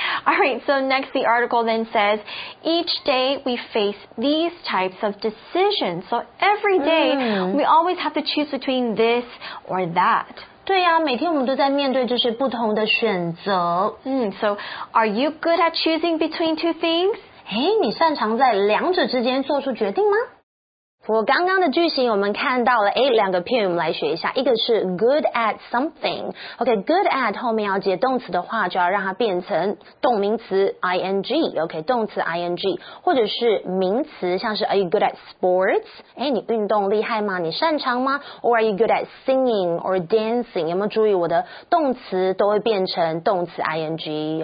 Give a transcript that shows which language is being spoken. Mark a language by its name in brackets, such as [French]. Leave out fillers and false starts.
[English] Alright, so next the article then says, each day we face these types of decisions. So every day、we always have to choose between this or that. [Chinese] 对呀、啊、每天我们都在面对就是不同的选择。 [English] So, are you good at choosing between two things? [Chinese] 诶，你擅长在两者之间做出决定吗？不过刚刚的句型我们看到了，诶，两个片语我们来学一下。一个是 good at something。 Okay, good at 后面要接动词的话就要让它变成动名词 ing。 Okay, 动词 ing。或者是名词，像是 [English] are you good at sports? [Chinese] 诶，你运动厉害吗？你擅长吗？ [English] Or are you good at singing or dancing? [Chinese] 有没有注意我的动词都会变成动词 ing?